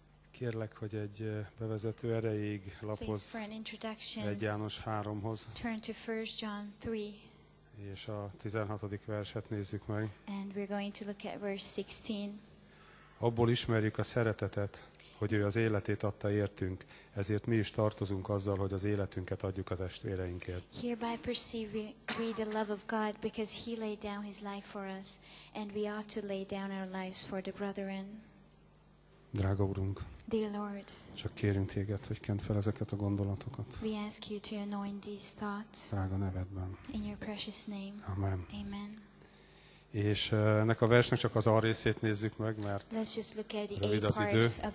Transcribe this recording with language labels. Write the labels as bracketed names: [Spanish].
[Hungarian] Kérlek, hogy egy bevezető erejéig lapoz [English] Please, for an introduction, [Hungarian] 1 János 3-hoz. [English] Turn to 1 John 3. [Hungarian] És a 16. verset nézzük meg. [English] And we're going to look at verse 16. [Hungarian] Abból ismerjük a szeretetet, hogy ő az életét adta értünk, ezért mi is tartozunk azzal, hogy az életünket adjuk a testvéreinkért. [English] Hereby perceive we the love of God, because he laid down his life for us, and we ought to lay down our lives for the brethren. [Hungarian] Drága Urunk, [English] dear Lord, [Hungarian] csak kérünk téged, hogy kent fel ezeket a gondolatokat. [English] We ask you to anoint these thoughts. [Hungarian] Drága nevedben. [English] In your precious name. [Hungarian] Amen. [English] Amen. [Hungarian] És ennek a versnek csak az A részét nézzük meg, mert rövid az idő.